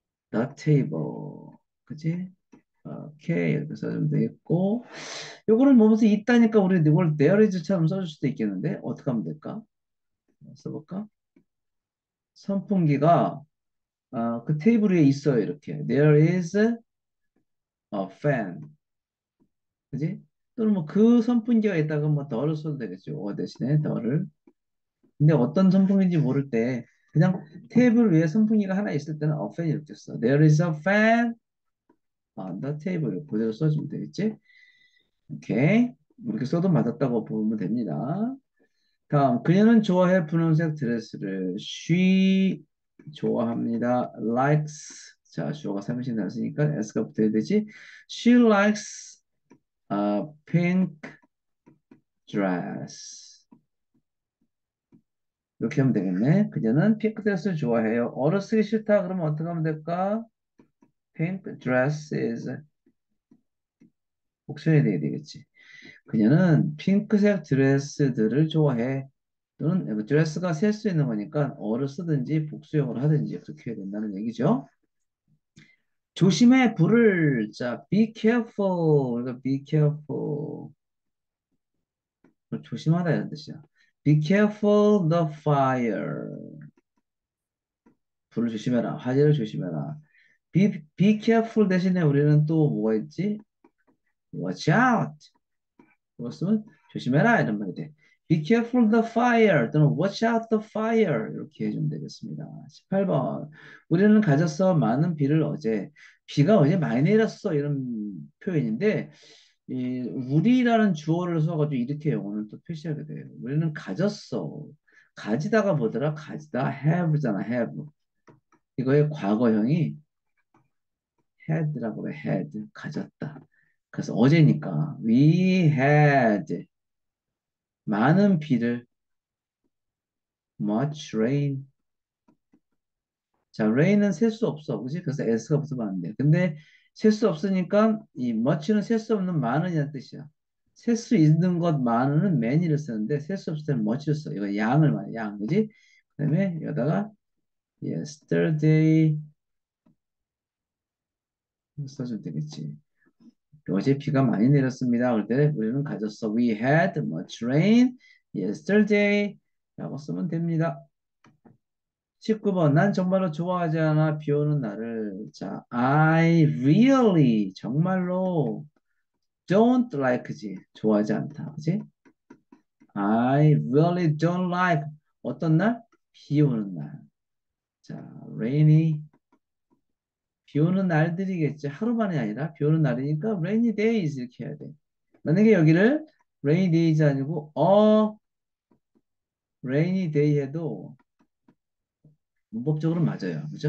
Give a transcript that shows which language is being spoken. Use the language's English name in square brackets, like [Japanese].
[English] The table. 그치? 오케이. [Korean] 이렇게 써주면 되겠고. 요거는 보면서 있다니까 우리 이걸 there is처럼 써줄 수도 있겠는데? 어떻게 하면 될까? 써볼까? 선풍기가 그 테이블 위에 있어요. [English] 이렇게 There is a fan. [Korean] 그지? 또는 뭐그 선풍기가 있다가 뭐 더를 써도 되겠죠. 어 대신에 더를. 근데 어떤 선풍기인지 모를 때 그냥 테이블 위에 선풍기가 하나 있을 때는 a fan 이렇게 써. [English] There is a fan on the table. [Korean] 그대로 써주면 되겠지. 오케이. 이렇게 써도 맞았다고 보면 됩니다. 다음, 그녀는 좋아해 분홍색 드레스를. [English] She 좋아합니다. Likes. [Korean] 자, 주어가 3인칭 나왔으니까 S가 붙어야 되지. [English] She likes a pink dress. [Korean] 이렇게 하면 되겠네. 그녀는 핑크 드레스를 좋아해요. 얼어 쓰기 싫다. 그러면 어떻게 하면 될까? [English] Pink dresses. 복수해야 되겠지. [Korean] 그녀는 핑크색 드레스들을 좋아해. 또는 드레스가 셀수 있는 거니까 어를 쓰든지 복수형으로 하든지 그렇게 해야 된다는 얘기죠. 조심해 불을. [English] 자, be careful. 그러니까 be careful. 조심하다 이런 뜻이야. Be careful the fire. [Korean] 불을 조심해라. 화재를 조심해라. Be careful 대신에 우리는 또 뭐가 있지? [English] Watch out. [Korean] 그것은 조심해라 이런 말이 돼. [English] Be careful the fire 또는 watch out the fire 이렇게 해주면 되겠습니다. [Korean] 18번. 우리는 가졌어 많은 비를 어제. 비가 어제 많이 내렸어 이런 표현인데, 이 우리라는 주어를 써가지고 이렇게 영어는 또 표시하게 돼요. 우리는 가졌어. 가지다가 뭐더라? 가지다 have잖아. have 이거의 과거형이 had라고 해. had 가졌다. 그래서 어제니까 we had 많은 비를. [English] much rain. [Korean] 자, rain은 셀수 없어, 그렇지? 그래서 s가 붙으면 안 돼. 근데 셀수 없으니까 이 much는 셀수 없는 많은이란 뜻이야. 셀수 있는 것 많은은 many를 쓰는데 셀수 없을 때는 much를 써. 이거 양을 말해, 양, 그렇지? 그다음에 여기다가 yesterday 써주면 되겠지. 어제 비가 많이 내렸습니다. 그때 우리는 가졌어. [English] We had much rain yesterday. 라고 쓰면 됩니다. [Korean] 19번. 난 정말로 좋아하지 않아. 비 오는 날을. [English] 자, I really 정말로 don't like지. [Korean] 좋아하지 않다. 그렇지? [English] I really don't like 어떤 날? [Korean] 비 오는 날. 자, rainy 비 오는 날들이겠지. 하루만이 아니라 비 오는 날이니까 rainy days 이렇게 해야 돼. 만약에 여기를 rainy days 아니고 rainy day 해도 문법적으로 맞아요. 그죠?